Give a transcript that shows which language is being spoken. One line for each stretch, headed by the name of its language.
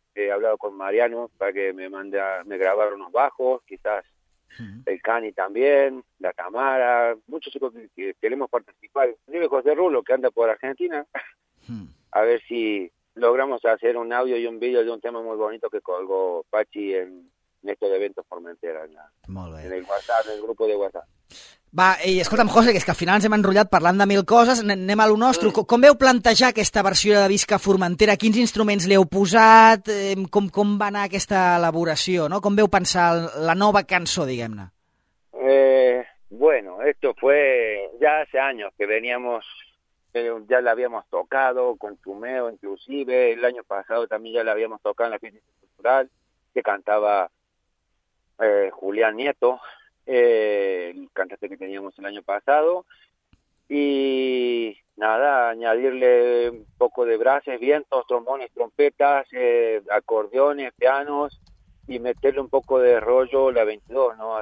Spanish: He hablado con Mariano para que me mande me grabar unos bajos, quizás el Cani también, la Tamara, muchos chicos que queremos participar, inclusive José Rulo, que anda por Argentina, a ver si logramos hacer un audio y un vídeo de un tema muy bonito que colgó Pachi en estos eventos Formentera, en el WhatsApp, en el grupo de WhatsApp.
Catalan: Va, i escolta'm, José, que és que al final ens hem enrotllat parlant de mil coses, anem a lo nostre. Com veu plantejar aquesta versió de Visca Formentera? Quins instruments li heu posat? Com va anar aquesta elaboració, no? Com veu pensar la nova cançó, diguem-ne?
Spanish: Bueno, esto fue ya hace años que veníamos, ya la habíamos tocado con Tumeo, inclusive, el año pasado también ya la habíamos tocado en la fiesta cultural, que cantaba Julián Nieto, el cantante que teníamos el año pasado, y nada, añadirle un poco de brases, vientos, trombones, trompetas, acordeones, pianos, y meterle un poco de rollo la 22, ¿no?